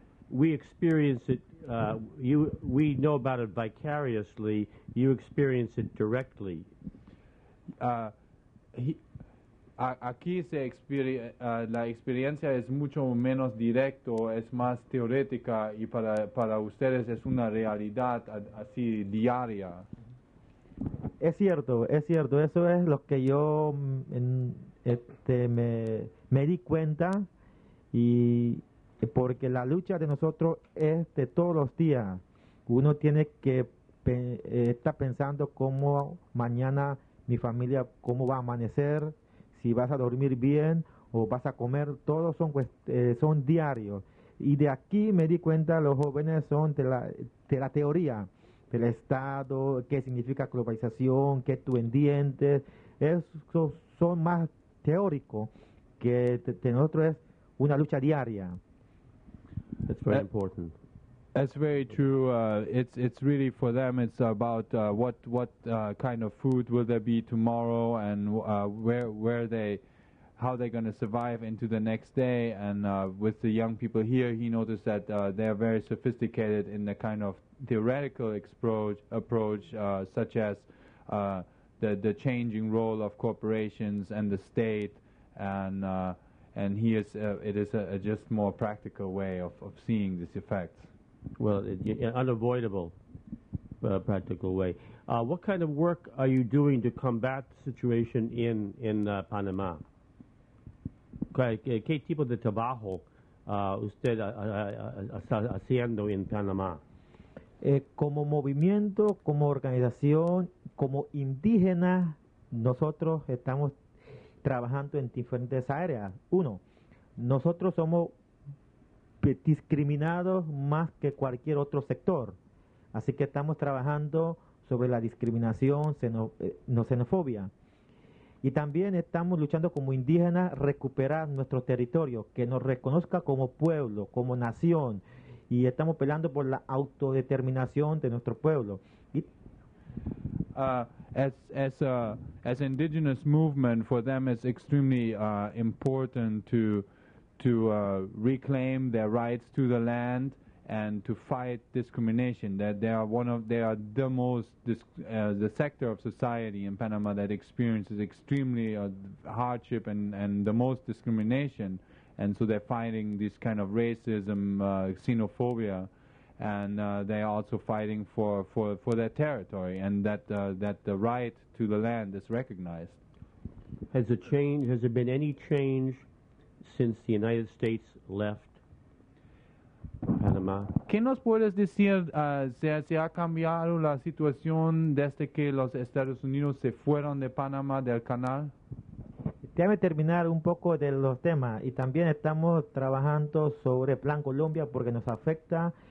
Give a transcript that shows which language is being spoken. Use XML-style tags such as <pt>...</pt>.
<en>We experience it, we know about it vicariously, you experience it directly.</en> <es>Aquí se la experiencia es mucho menos directo, es más teórica, y para ustedes es una realidad así diaria. Es cierto, eso es lo que yo me di cuenta, y porque la lucha de nosotros es de todos los días. Uno tiene que estar pensando cómo mañana mi familia, cómo va a amanecer, si vas a dormir bien o vas a comer, todos son diarios. Y de aquí me di cuenta, los jóvenes son de la teoría del Estado, qué significa globalización, qué tú entiendes, eso son más teóricos que de nosotros es una lucha diaria.</es> <en>That's very important. That's very true. It's really for them, it's about what kind of food will there be tomorrow and where they, how they're going to survive into the next day. And with the young people here, he noticed that they're very sophisticated in the kind of theoretical approach such as the changing role of corporations and the state, and and he is it is a just more practical way of seeing this effect. Well, unavoidable practical way. What kind of work are you doing to combat the situation in Panama?</en> <es>¿Qué tipo de trabajo usted está haciendo en Panamá? Como movimiento, como organización, como indígena, nosotros estamos trabajando en diferentes áreas. Uno, nosotros somos discriminados más que cualquier otro sector. Así que estamos trabajando sobre la discriminación, xenofobia. Y también estamos luchando como indígenas recuperar nuestro territorio, que nos reconozca como pueblo, como nación. Y estamos peleando por la autodeterminación de nuestro pueblo.</es> <en>As indigenous movement, for them it's extremely important to reclaim their rights to the land and to fight discrimination. That they are the most the sector of society in Panama that experiences extremely hardship and the most discrimination, and so they're fighting this kind of racism, xenophobia, and they are also fighting for their territory and that the right to the land is recognized. Has there been any change since the United States left Panamá?</en> <es>¿Qué nos puedes decir si ha cambiado la situación desde que los Estados Unidos se fueron de Panamá del canal? Déjame terminar un poco de los temas. Y también estamos trabajando sobre Plan Colombia porque nos afecta.</es>